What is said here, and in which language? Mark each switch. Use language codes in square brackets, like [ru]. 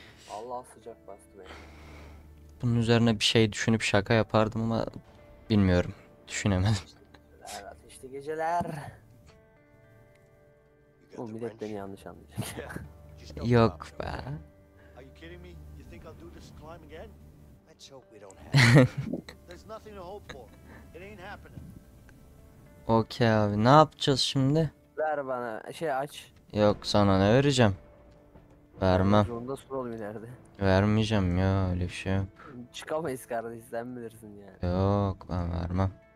[tr] Allah sıcak bastı be. Bunun üzerine bir şey düşünüp şaka yapardım ama bilmiyorum. Düşünemedim. Geceler. Bu millet beni yanlış anlayacak. Yok be. [en] Are you kidding me? You think I'll do this climb again? Let's hope we don't have. There's nothing to hope for. It ain't happening. [tr] Okay abi, ne yapacağız şimdi? Ver bana şey aç. Yok, sana ne vereceğim? Vermem. Zonda sor oğlum ileride. Vermeyeceğim ya, öyle bir şey. Çıkamayız kardeş, sen bilirsin yani. Yok, ben vermem.